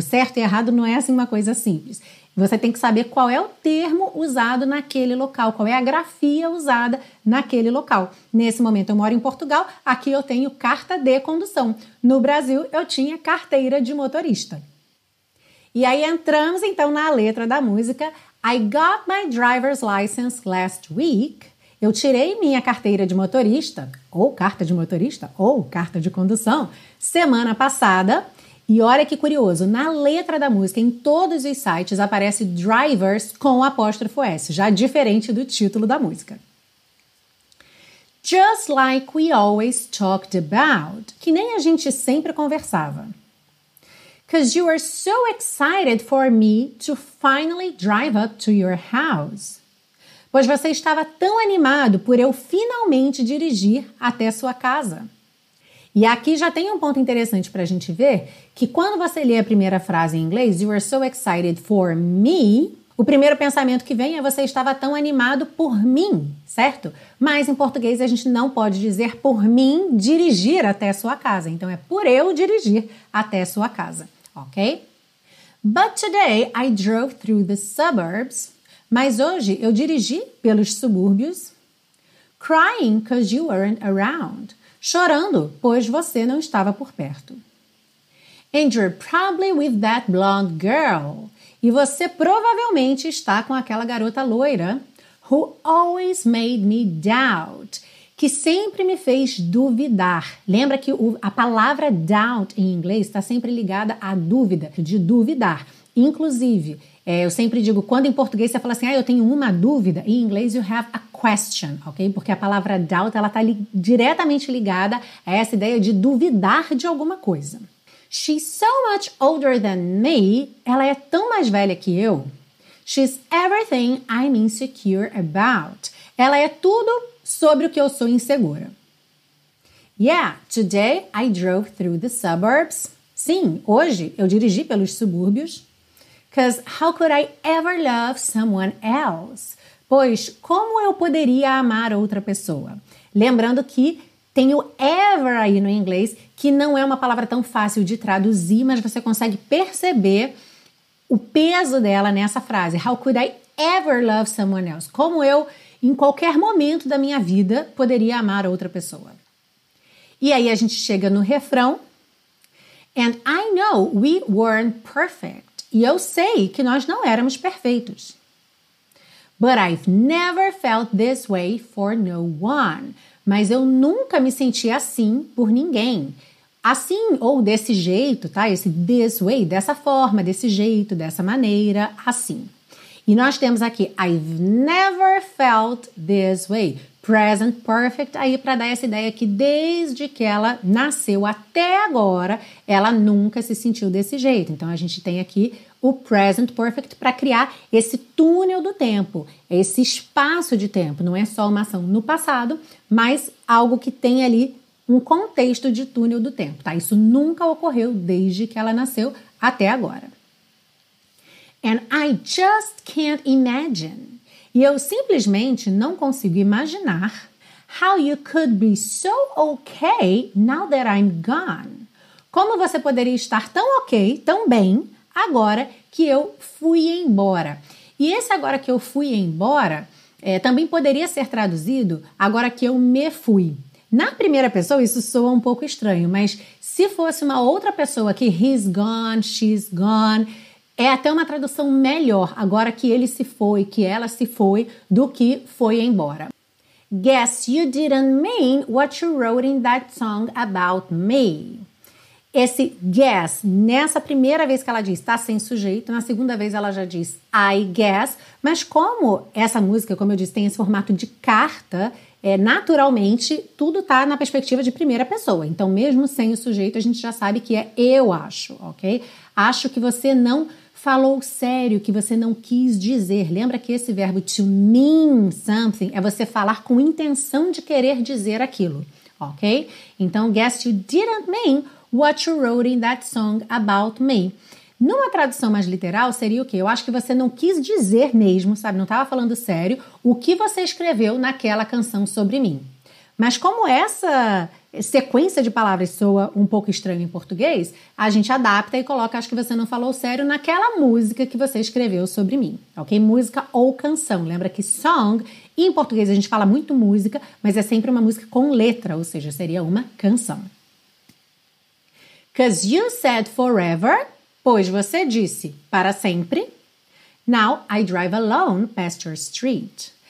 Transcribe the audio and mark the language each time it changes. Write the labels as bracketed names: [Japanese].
[Portuguese] Certo e errado não é assim uma coisa simples. Você tem que saber qual é o termo usado naquele local, qual é a grafia usada naquele local. Nesse momento eu moro em Portugal, aqui eu tenho carta de condução. No Brasil eu tinha carteira de motorista. E aí entramos então na letra da música. [English] I got my driver's license last week. [Portuguese] Eu tirei minha carteira de motorista, ou carta de motorista, ou carta de condução, semana passada. E olha que curioso, na letra da música, em todos os sites, aparece drivers com apóstrofo S, já diferente do título da música. [English] Just like we always talked about, [Portuguese] que nem a gente sempre conversava. [English] 'Cause you were so excited for me to finally drive up to your house. [Portuguese] Pois você estava tão animado por eu finalmente dirigir até sua casa. E aqui já tem um ponto interessante para a gente ver, que quando você lê a primeira frase em inglês, [English] you are so excited for me, [Portuguese] o primeiro pensamento que vem é você estava tão animado por mim, certo? Mas em português a gente não pode dizer por mim dirigir até sua casa. Então é por eu dirigir até sua casa, ok? [English] But today I drove through the suburbs. [Portuguese] Mas hoje eu dirigi pelos subúrbios. [English] Crying because you weren't around. [Portuguese] Chorando, pois você não estava por perto. [English] And you're probably with that blonde girl. [Portuguese] E você provavelmente está com aquela garota loira, [English] who always made me doubt, [Portuguese] que sempre me fez duvidar. Lembra que a palavra doubt em inglês está sempre ligada à dúvida, de duvidar. Inclusive, eu sempre digo, quando em português você fala assim, ah, eu tenho uma dúvida, em inglês [English] you have a question, [Portuguese] ok? Porque a palavra doubt, ela está diretamente ligada a essa ideia de duvidar de alguma coisa. [English] She's so much older than me. [Portuguese] Ela é tão mais velha que eu. [English] She's everything I'm insecure about. [Portuguese] Ela é tudo sobre o que eu sou insegura. [English] Yeah, today I drove through the suburbs. [Portuguese] Sim, hoje eu dirigi pelos subúrbios. [English] Because how could I ever love someone else? [Portuguese] Pois, como eu poderia amar outra pessoa? Lembrando que tem o ever aí no inglês, que não é uma palavra tão fácil de traduzir, mas você consegue perceber o peso dela nessa frase. [English] How could I ever love someone else? [Portuguese] Como eu, em qualquer momento da minha vida, poderia amar outra pessoa? E aí a gente chega no refrão. [English] And I know we weren't perfect. [Portuguese] E eu sei que nós não éramos perfeitos. [English] But I've never felt this way for no one. [Portuguese] Mas eu nunca me senti assim por ninguém. Assim ou desse jeito, tá? Esse [English] this way, [Portuguese] dessa forma, desse jeito, dessa maneira, assim. E nós temos aqui, [English] I've never felt this way. [Portuguese] Present perfect aí para dar essa ideia que desde que ela nasceu até agora, ela nunca se sentiu desse jeito. Então a gente tem aqui o present perfect para criar esse túnel do tempo, esse espaço de tempo. Não é só uma ação no passado, mas algo que tem ali um contexto de túnel do tempo, tá? Isso nunca ocorreu desde que ela nasceu até agora. [English] And I just can't imagine. [Portuguese] E eu simplesmente não consigo imaginar [English] how you could be so okay now that I'm gone. [Portuguese] Como você poderia estar tão ok, tão bem, agora que eu fui embora. E esse agora que eu fui embora também poderia ser traduzido agora que eu me fui. Na primeira pessoa isso soa um pouco estranho, mas se fosse uma outra pessoa que [English] he's gone, she's gone, [Portuguese] é até uma tradução melhor agora que ele se foi, que ela se foi, do que foi embora. [English] Guess you didn't mean what you wrote in that song about me. [Portuguese] Esse guess, nessa primeira vez que ela diz, tá sem sujeito, na segunda vez ela já diz, [English] I guess. [Portuguese] Mas como essa música, como eu disse, tem esse formato de carta, naturalmente, tudo tá na perspectiva de primeira pessoa. Então, mesmo sem o sujeito, a gente já sabe que é eu acho, ok? Acho que você não falou sério, que você não quis dizer. Lembra que esse verbo [English] to mean something [Portuguese] é você falar com intenção de querer dizer aquilo, ok? [English] Então, guess you didn't mean what you wrote in that song about me. [Portuguese] Numa tradução mais literal, seria o quê? Eu acho que você não quis dizer mesmo, sabe? Não estava falando sério o que você escreveu naquela canção sobre mim. Mas como essa sequência de palavras soa um pouco estranho em português, a gente adapta e coloca, acho que você não falou sério, naquela música que você escreveu sobre mim, ok? Música ou canção. Lembra que song, em português a gente fala muito música, mas é sempre uma música com letra, ou seja, seria uma canção. [English] Because you said forever, [Portuguese] pois você disse para sempre. [English] Now I drive alone past your street.